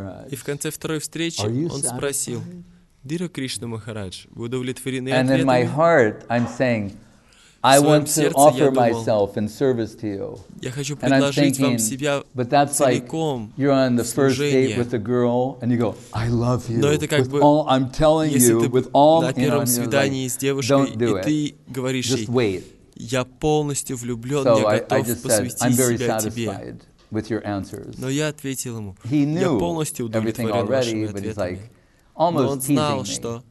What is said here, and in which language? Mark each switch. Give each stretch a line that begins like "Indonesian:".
Russian: И в конце второй встречи он спросил, Дира Кришна Махарадж, вы удовлетворены ответами?
English: I want to offer myself in service to you.
Russian: Я хочу предложить вам себя целиком.
English: You're on the first date with a girl and you go, I love you.
Russian: Но это как бы,
English: I'm telling you with all my heart.
Russian: На первом свидании с девушкой и ты говоришь ей, я полностью влюблён, я готов посвятить себя тебе.
English: With your answers.
Russian: Но я ответил ему, я полностью удовлетворен вашими ответами. Но он знал, что